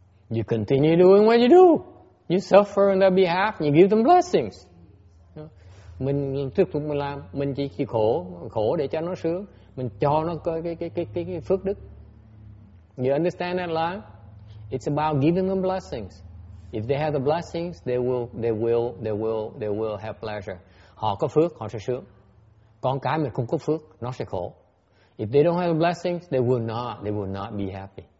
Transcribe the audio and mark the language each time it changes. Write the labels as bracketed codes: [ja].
[en] You continue doing what you do. You suffer on their behalf. You give them blessings. [vi] Mình tiếp tục mình làm. Mình chỉ khổ để cho nó sướng. Mình cho nó cái phước đức. [en] You understand that line? It's about giving them blessings. If they have the blessings, they will have pleasure. [vi] Họ có phước, họ sẽ sướng. Con cái mình không có phước, nó sẽ khổ. [en] If they don't have the blessings, they will not be happy.